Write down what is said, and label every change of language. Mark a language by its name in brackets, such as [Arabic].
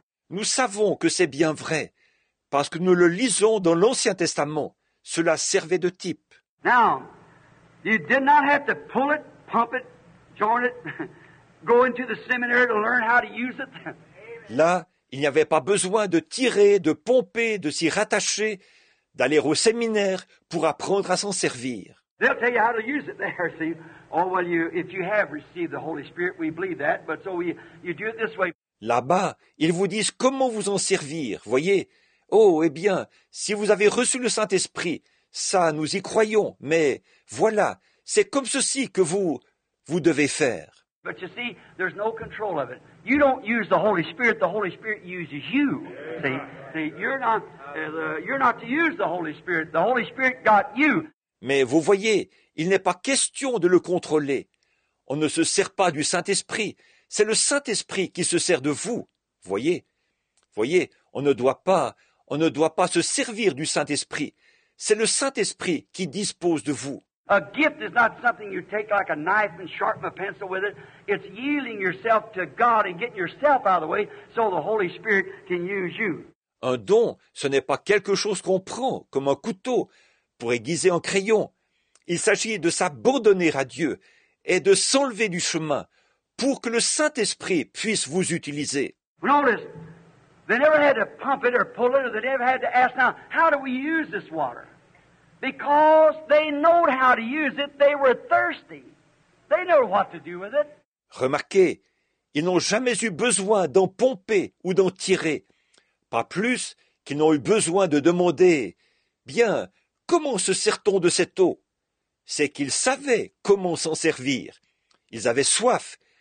[French] Nous savons que c'est bien vrai, parce que nous le lisons dans l'Ancien Testament. Cela servait de type. [English] Now, you did not have to pull it, pump it, join it, go into the seminary to learn how to use it. [French] Là, il n'y avait pas besoin de tirer, de pomper, de s'y rattacher, d'aller au séminaire pour apprendre à s'en servir. [English] They'll tell you how to use it there, see. Oh, well, if you have received the Holy Spirit, we believe that, but so you do it this way. [French] Là-bas, ils vous disent comment vous en servir, voyez. Oh, eh bien, si vous avez reçu le Saint-Esprit, ça, nous y croyons, mais voilà, c'est comme ceci que vous devez faire. [English] But you see, there's no control of it. You don't use the Holy Spirit uses you. See, you're not to use the Holy Spirit got you. [French] Mais vous voyez, il n'est pas question de le contrôler. On ne se sert pas du Saint-Esprit. C'est le Saint-Esprit qui se sert de vous, voyez. Voyez, on ne doit pas se servir du Saint-Esprit. C'est le Saint-Esprit qui dispose de vous. [English] A gift is not something you take like a knife and sharpen a pencil with it. It's yielding yourself to God and getting yourself out of the way so the Holy Spirit can use you. [French] Un don, ce n'est pas quelque chose qu'on prend comme un couteau pour aiguiser un crayon. Il s'agit de s'abandonner à Dieu et de s'enlever du chemin pour que le Saint-Esprit puisse vous utiliser. [English] Notice, they never had to pump it or pull it, or they never had to ask, now, how do we use this water? Because they know how to use it, they were thirsty. They know what to do with it. [French] Remarquez, ils n'ont jamais eu besoin d'en pomper ou d'en tirer. Pas plus qu'ils n'ont eu besoin de demander, bien, comment se sert-on de cette eau? C'est qu'ils savaient comment s'en servir. Ils avaient soif.